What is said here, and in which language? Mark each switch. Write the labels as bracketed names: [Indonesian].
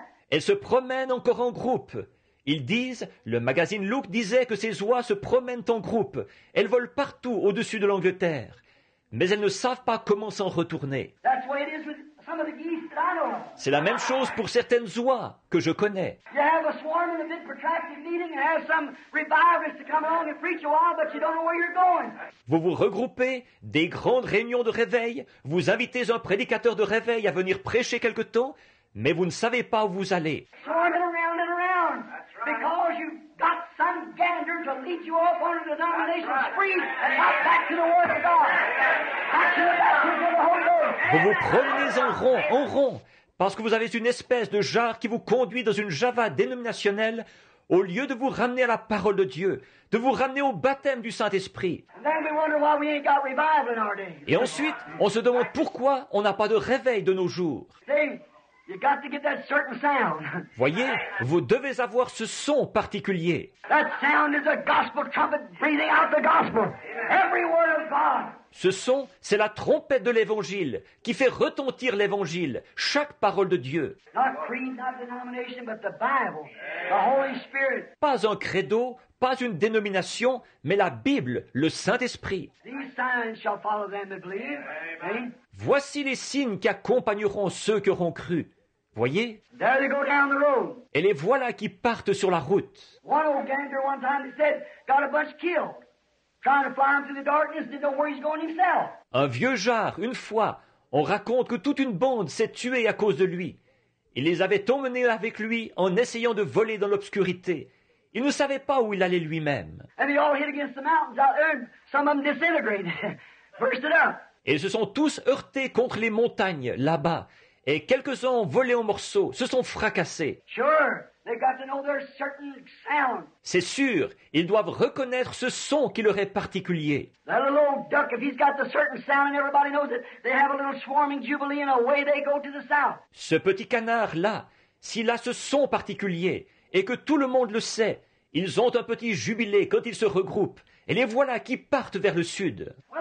[French] Elles se promènent encore en groupe. Ils disent, le magazine Look disait que ces oies se promènent en groupe. Elles volent partout au-dessus de l'Angleterre. Mais elles ne savent pas comment s'en retourner. [English] That's the way it is with some of the geese that I know. [French] C'est la même chose pour certaines oies que je connais. [English] You have a swarm in a bit protracted meeting and have some revivalists to come along and preach a while, but you don't know where you're going. [French] Vous vous regroupez, des grandes réunions de réveil, vous invitez un prédicateur de réveil à venir prêcher quelque temps, mais vous ne savez pas où vous allez. [English] Swarming around and around. Because you've got some gander to lead you off on the denomination spree and not back to the Word of God. Back to the baptism of the Holy Ghost. [French] Vous vous promenez en rond, parce que vous avez une espèce de jar qui vous conduit dans une java dénominationnelle au lieu de vous ramener à la parole de Dieu, de vous ramener au baptême du Saint-Esprit. [English] And then we wonder why we ain't got revival in our days. [French] Et ensuite, on se demande pourquoi on n'a pas de réveil de nos jours. [English] See? You got to get that certain sound. [French] Voyez, vous devez avoir ce son particulier. [English] That sound is a gospel trumpet breathing out the gospel. Every word of God. [French] Ce son, c'est la trompette de l'Évangile qui fait retentir l'Évangile, chaque parole de Dieu. [English] Not creed, not denomination, but the Bible, the Holy Spirit. [French] Pas un credo, pas une dénomination, mais la Bible, le Saint-Esprit. [English] These signs shall follow them that believe. Amen. [French] Voici les signes qui accompagneront ceux qui auront cru. Voyez? [English] There they go down the road. [French] Et les voilà qui partent sur la route. [English] One old gander one time he said, got a bunch killed. Trying to fly him through the darkness, didn't know where he's going himself. [French] Un vieux jar, une fois, on raconte que toute une bande s'est tuée à cause de lui. Il les avait emmenés avec lui en essayant de voler dans l'obscurité. Il ne savait pas où il allait lui-même. [English] And they all hit against the mountains out there, and some of them disintegrated. Burst it up. [French] Et ils se sont tous heurtés contre les montagnes là-bas. Et quelques-uns ont volé en morceaux, se sont fracassés. [English] Sure, they've got to know their certain sound. [French] C'est sûr, ils doivent reconnaître ce son qui leur est particulier. [English] That little old duck, if he's got the certain sound, everybody knows it, they have a little swarming jubilee and away they go to the south. [French] Ce petit canard là, s'il a ce son particulier et que tout le monde le sait, ils ont un petit jubilé quand ils se regroupent. Et les voilà qui partent vers le sud.